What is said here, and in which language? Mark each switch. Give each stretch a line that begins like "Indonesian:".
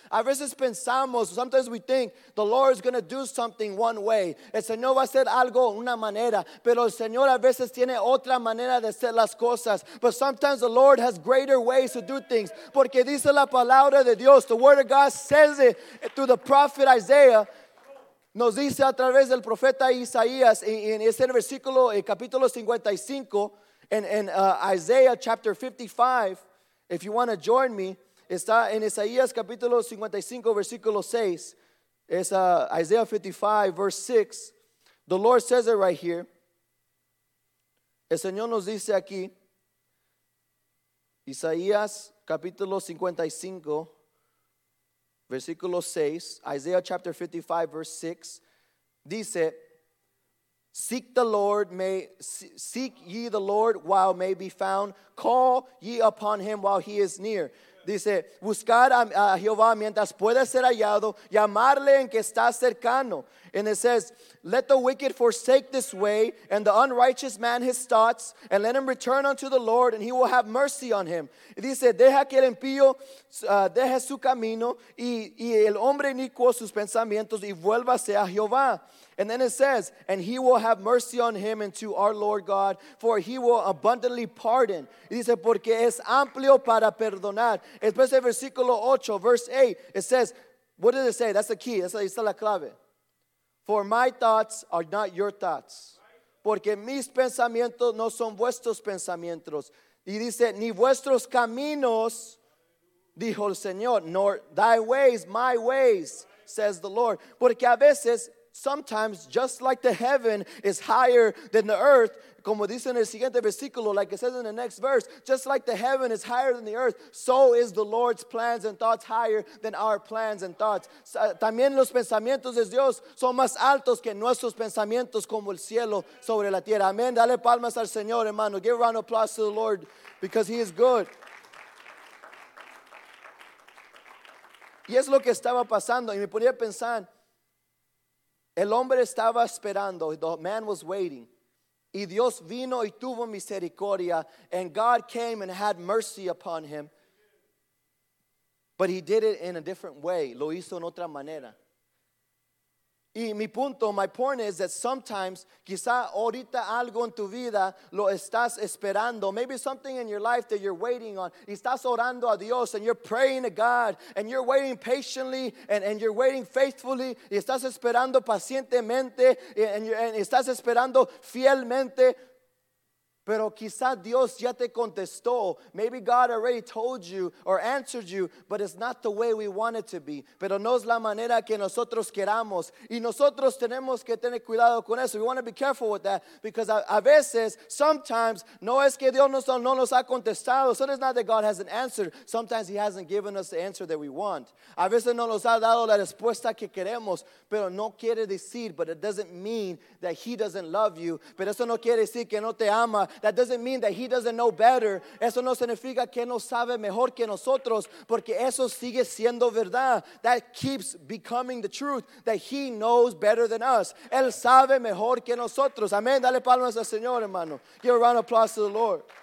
Spanish: A veces pensamos,
English: sometimes we think the Lord is going to do something one way.
Spanish: El Señor va a hacer algo una manera. Pero el Señor a veces tiene otra manera de hacer las cosas.
English: But sometimes the Lord has greater ways to do things.
Spanish: Porque dice la palabra de Dios.
English: The word of God says it through the prophet Isaiah.
Spanish: Nos dice a través del profeta Isaías. En ese versículo, en capítulo 55.
English: In Isaiah chapter 55, if you want to join me,
Spanish: está en Isaías capítulo 55, versículo 6.
English: It's Isaiah 55, verse 6. The Lord says it right here.
Spanish: El Señor nos dice aquí, Isaías capítulo 55, versículo 6.
English: Isaiah chapter 55, verse 6.
Spanish: Dice,
English: seek ye the Lord while may be found. Call ye upon him while he is near.
Spanish: Dice, buscar a Jehová mientras pueda ser hallado. Llamarle en que está cercano.
English: And it says, let the wicked forsake this way, and the unrighteous man his thoughts, and let him return unto the Lord, and he will have mercy on him.
Spanish: Dice, deja que el impío deje su camino, y el hombre inicuo sus pensamientos, y vuélvase a Jehová.
English: And then it says, and he will have mercy on him and to our Lord God, for he will abundantly pardon.
Spanish: Dice, porque es amplio para perdonar. Después el versículo 8,
English: verse 8, it says, what does it say? That's the key.
Spanish: Esa la clave.
English: For my thoughts are not your thoughts.
Spanish: Porque mis pensamientos no son vuestros pensamientos. Y dice, ni vuestros caminos, dijo el Señor,
English: nor thy ways, my ways, says the Lord.
Spanish: Porque a veces
English: sometimes, just like the heaven is higher than the earth,
Spanish: como dice en el siguiente versículo,
English: like it says in the next verse, just like the heaven is higher than the earth, so is the Lord's plans and thoughts higher than our plans and thoughts.
Spanish: También los pensamientos de Dios son más altos que nuestros pensamientos como el cielo sobre la tierra. Amén. Dale palmas al Señor, hermano.
English: Give a round of applause to the Lord because he is good.
Spanish: Y es lo que estaba pasando. Y me ponía a pensar, el hombre estaba esperando.
English: The man was waiting. Y Dios vino y tuvo misericordia. And God came and had mercy upon him. But he did it in a different way.
Spanish: Lo hizo en otra manera. Y mi punto,
English: my point is that sometimes,
Spanish: quizá ahorita algo en tu vida lo estás esperando.
English: Maybe something in your life that you're waiting on.
Spanish: Y estás orando a Dios
English: and you're praying to God and you're waiting patiently and you're waiting faithfully.
Spanish: Y estás esperando pacientemente and estás esperando fielmente. Pero quizá Dios ya te contestó.
English: Maybe God already told you or answered you, but it's not the way we want it to be.
Spanish: Pero no es la manera que nosotros queramos. Y nosotros tenemos que tener cuidado con eso.
English: We want to be careful with that. Because
Spanish: a veces,
English: sometimes,
Spanish: no es que Dios no nos ha contestado.
English: So it's not that God hasn't answered. Sometimes he hasn't given us the answer that we want.
Spanish: A veces no nos ha dado la respuesta que queremos. Pero no quiere decir,
English: but it doesn't mean that he doesn't love you.
Spanish: Pero eso no quiere decir que no te ama.
English: That doesn't mean that he doesn't know better.
Spanish: Eso no significa que no sabe mejor que nosotros, porque eso sigue siendo verdad.
English: That keeps becoming the truth, that he knows better than us.
Spanish: Él sabe mejor que nosotros. Amén. Dale palmas al Señor, hermano.
English: Give a round of applause to the Lord.